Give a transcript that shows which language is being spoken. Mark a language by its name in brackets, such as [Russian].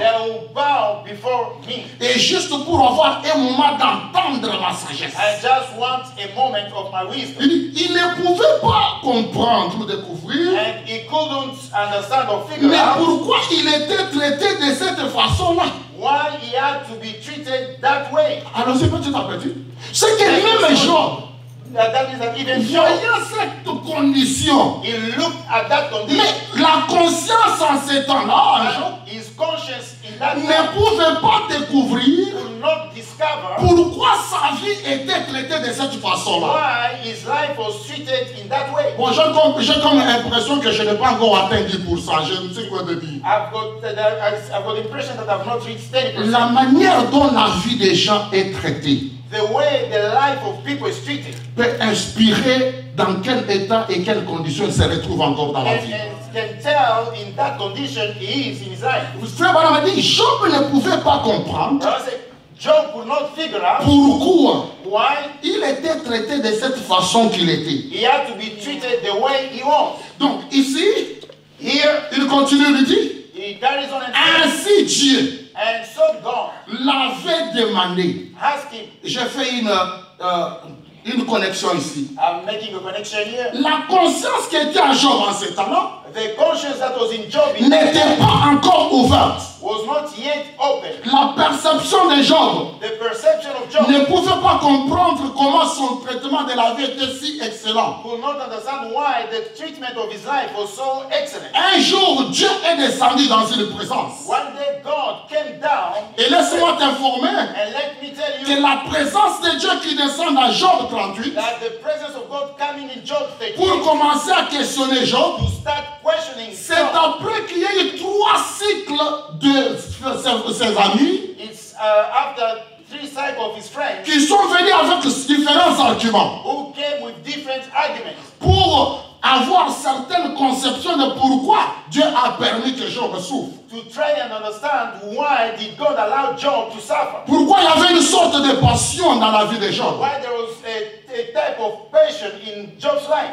[English] They will bow before me. [French] Et juste pour avoir un moment d'entendre ma sagesse. [English] I just want a moment of my wisdom. [French] Il ne pouvait pas comprendre ou découvrir. [English] And he couldn't understand or figure [French] mais [English] out. [French] Mais pourquoi il était traité de cette façon-là? [English] Why he had to be treated that way? [French] Alors c'est pas tout à fait. C'est que même les gens. Voyant cette condition, [English] he looked at that condition, [French] mais la conscience en cet âge [English] his conscience in that [French] ne pouvait pas découvrir [English] not discover [French] pourquoi sa vie était traitée de cette façon-là. [English] Why his life was treated in that way. [French] Bon, j'ai comme l'impression que je n'ai pas encore atteint 10%. Je ne sais quoi de dire. [English] I've got the impression that I've not reached 10%. [French] La manière dont la vie des gens est traitée. [English] The way the life of people is treated [French] peut inspirer dans quel état et quelles conditions il se retrouve encore dans la vie. [English] Can tell in that condition he is in his life. [French] Frère Branham a dit, Job ne pouvait pas comprendre [English] Job could not figure out [French] pourquoi [English] why [French] il était traité de cette façon qu'il était. [English] He had to be treated the way he was. [French] Donc ici, [English] here, [French] il continue de dire, [English] he carries on [French] ainsi Dieu. [English] And so God [French] l'avait demandé. [English] Asking, [French] je fais une connexion ici. [English] I'm making a connection here. [French] La conscience qui était à Job en ce temps-là [English] the conscience that was in Job [French] n'était pas encore ouverte. [English] was not yet opened. [French] La perception de Job, [English] the perception of Job, [French] ne pouvait pas comprendre comment son traitement de la vie était si excellent. [English] Could not understand why the treatment of his life was so excellent. [French] Un jour, Dieu est descendu dans une présence. [English] One day God came down. [French] Et laisse-moi t'informer. [English] And let me tell you [French] que la présence de Dieu qui descend dans Job 38, [English] that the presence of God coming in Job 38, [French] pour commencer à questionner Job, [English] to start questioning [French] Job, c'est après qu'il y ait trois cycles de ses amis, [English] it's after three cycles of his friends, [French] qui sont venus avec différents arguments, [English] who came with different arguments, [French] pour avoir certaines conceptions de pourquoi Dieu a permis que Job souffre. [English] To try and understand why did God allow Job to suffer? [French] Pourquoi il y avait une sorte de passion dans la vie de Job? [English] Why there was a type of passion in Job's life?